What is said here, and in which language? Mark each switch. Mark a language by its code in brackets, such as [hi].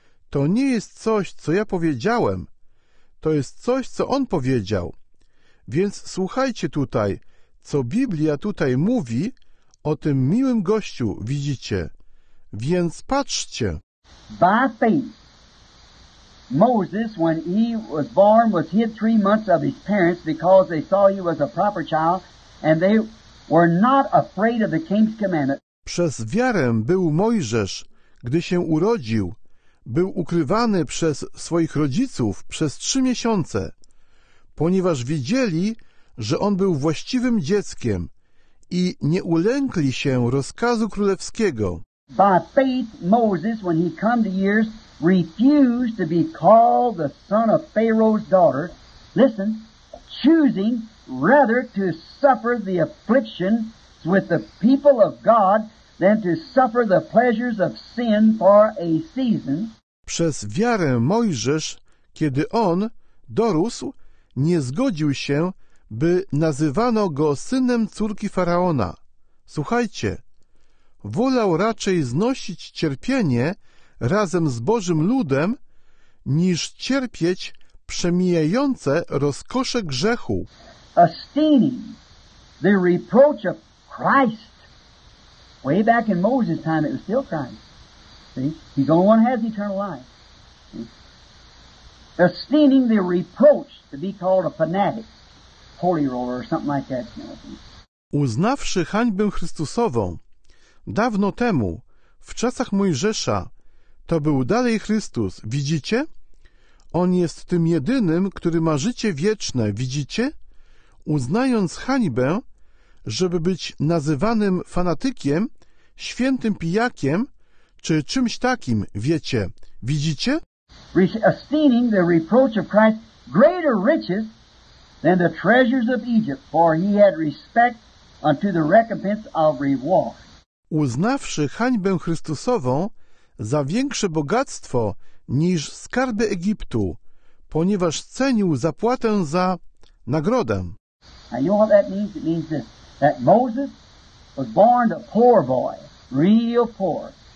[pl] To nie jest coś, co ja powiedziałem. To jest coś, co on powiedział. Więc słuchajcie tutaj, co Biblia tutaj mówi o tym miłym gościu, widzicie? Więc patrzcie. [en] By faith, Moses, when he was born, was hid 3 months of his parents because they saw he was a proper child and they were not afraid of the king's commandment. [pl] Przez wiarę był Mojżesz, gdy się urodził, był ukrywany przez swoich rodziców przez 3 miesiące, ponieważ widzieli, że on był właściwym dzieckiem i nie ulękli się rozkazu królewskiego. [en] By faith, Moses, when he come to years, refused to be called the son of Pharaoh's daughter, listen, choosing rather to suffer the affliction with the people of God than to suffer the pleasures of sin for a season. [pl] Przez wiarę Mojżesz, kiedy on dorósł, nie zgodził się, by nazywano go synem córki Faraona. Słuchajcie, wolał raczej znosić cierpienie razem z Bożym ludem, niż cierpieć przemijające rozkosze grzechu. [en] Esteeming the reproach of Christ. Way back in Moses' time, it was still Christ. See? He's the only one who has eternal life. See? Esteeming the reproach to be called a fanatic, holy roller, or something like that. You know? [pl] Uznawszy hańbę Chrystusową, dawno temu, w czasach Mojżesza, to był dalej Chrystus, widzicie? On jest tym jedynym, który ma życie wieczne, widzicie? Uznając hańbę, żeby być nazywanym fanatykiem, świętym pijakiem, czy czymś takim, wiecie, widzicie? [en] Esteeming the reproach of Christ greater riches than the treasures of Egypt, for he had respect unto the recompense of reward. [pl] uznawszy hańbę Chrystusową za większe bogactwo niż skarby Egiptu, ponieważ cenił zapłatę za nagrodę. [en] And you know what that means? It means that Moses was born a poor boy, real poor.